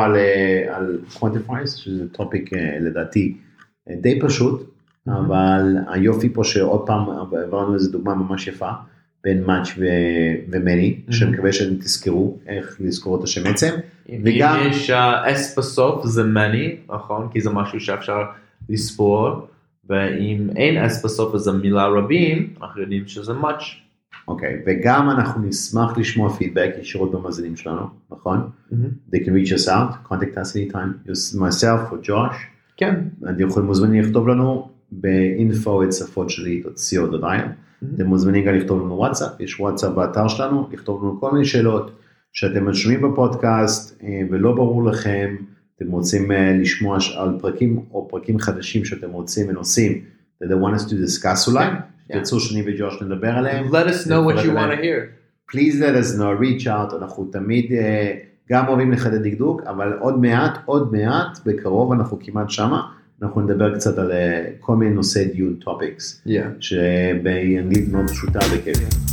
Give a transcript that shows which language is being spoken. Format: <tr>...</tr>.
<he>על quantifiers, שזה טופיק לדעתי די פשוט, אבל היופי פה שעוד פעם עברנו איזו דוגמה ממש יפה בין מאץ' ומני, שאני מקווה שאתם תזכרו איך לזכור את השם עצם. אם יש אס בסוף זה מני, נכון? כי זה משהו שאפשר לספור, ואם אין אס בסוף זה מילה רבים, אנחנו יודעים שזה מאץ'. Okay, וגם אנחנו נשמח לשמוע פידבק ישירות במאזינים שלנו, נכון?</he> <en>They can reach us out, contact us anytime, myself or Josh.</en> <he>כן. אתם יכולים מוזמנים לכתוב לנו באינפו את שפות שלי, co.il. אתם מוזמנים גם לכתוב לנו וואטסאפ, יש וואטסאפ באתר שלנו, לכתוב לנו כל מיני שאלות שאתם משומעים בפודקאסט ולא ברור לכם, אתם רוצים לשמוע על פרקים או פרקים חדשים שאתם רוצים ונושאים,</he> <en>that they want us to discuss</en> <he>אולי.</he> <en>Yeah.</en> <he>תרצו שאני וג'וש נדבר עליהם.</he> <en>Let us know what you want to hear. Please let us know, reach out.</en> <he>אנחנו תמיד גם אוהבים לחדד דקדוק, אבל עוד מעט, בקרוב אנחנו כמעט שמה, אנחנו נדבר קצת על כל מיני נושאי דיון טופיקס.</he> <en>Yeah.</en> <he>שבאנגלית מאוד פשוטה בכלל.</he>